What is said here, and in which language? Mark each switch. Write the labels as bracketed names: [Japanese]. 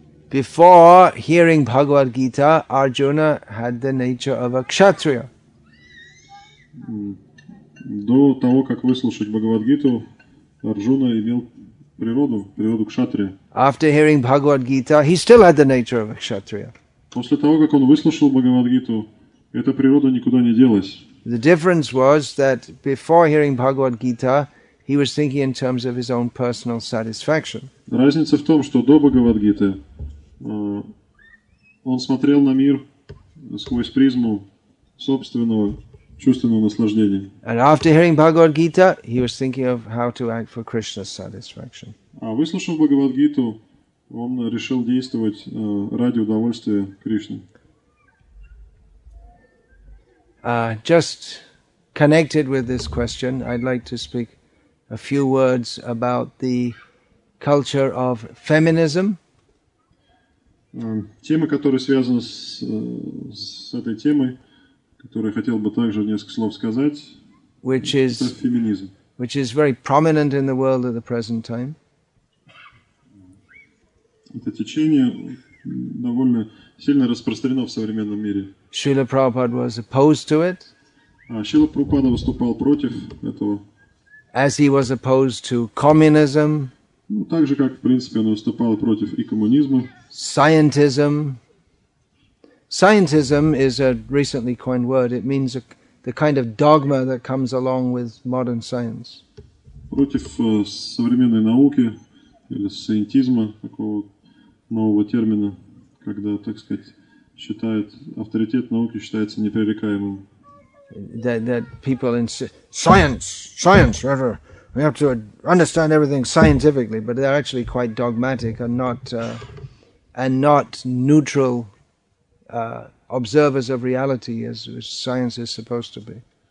[English] Before hearing Bhagavad Gita, Arjuna had the nature of a kshatriya. [Russian] До того, как выслушать Бхагавад Гиту, Арджуна имел природу кшатрия. [English] After hearing Bhagavad Gita, he still had the nature of a kshatriya. [Russian] После того, как он выслушал Бхагавад-гиту, эта природа никуда не делась. [English] The difference was that before hearing Bhagavad-gita, he was thinking in terms of his own personal satisfaction. [Russian] Разница в том, что до Бхагавад-гиты он смотрел на мир сквозь призму собственного чувственного наслаждения. [English] And after hearing Bhagavad Gita, he was thinking of how to act for Krishna's satisfaction. [Russian] А выслушав Бхагавад-гиту, он решил действовать ради удовольствия Кришны. [English] Just connected with this question, I'd like to speak a few words about the culture of feminism. [Russian] Тема, которая связана с этой темой, которую хотел бы также несколько слов сказать, [English] which is [Russian] феминизм, [English] which is very prominent in the world at the present time. [Russian] Это течение довольно сильно распространено в современном мире. [English] Шрила Прабхупада was opposed to it. [Russian] Шрила Прабхупада выступал против этого. [English] As he was opposed to communism. [Russian] Ну, так же, как, в принципе, он выступал против и коммунизма. [English] Scientism. Scientism is a recently coined word. It means the kind of dogma that comes along with modern science. [Russian] Против современной науки или сиентизма, такого нового термина, когда, так сказать, считают, авторитет науки считается непререкаемым. [English] That people in science, rather, we have to understand everything scientifically, but they're actually quite dogmatic and not neutral observers of reality as science is supposed to be.